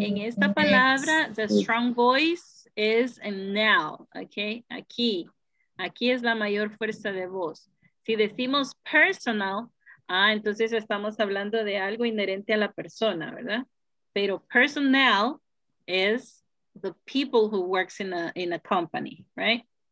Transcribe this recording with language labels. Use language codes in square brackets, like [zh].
[es] En esta palabra, [en] the strong voice is now. [es] Okay, aquí. Aquí es la mayor fuerza de voz. Si decimos personal, entonces estamos hablando de algo inherente a la persona, ¿verdad? [en] Pero personnel is the people who works in a company, right?